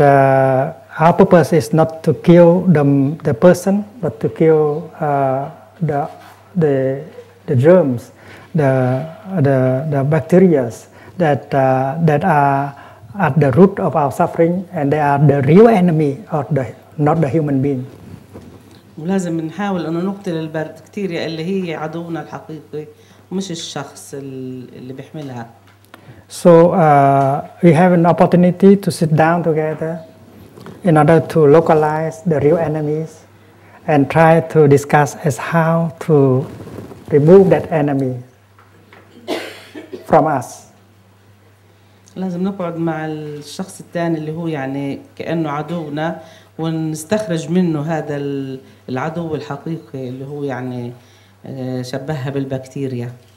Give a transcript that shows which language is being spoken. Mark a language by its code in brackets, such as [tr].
[en] our purpose is not to kill the person, but to kill the germs, the bacteria that are at the root of our suffering, and they are the real enemy of not the human being. [ar] ولازم نحاول انه نقتل البكتيريا اللي هي عدونا الحقيقي مش الشخص اللي بيحملها. [en] So we have an opportunity to sit down together in order to localize the real enemies and try to discuss as how to remove that enemy from us. [ar] لازم نقعد مع الشخص الثاني اللي هو يعني كانه عدونا ونستخرج منه هذا العدو الحقيقي اللي هو يعني شبهها بالبكتيريا.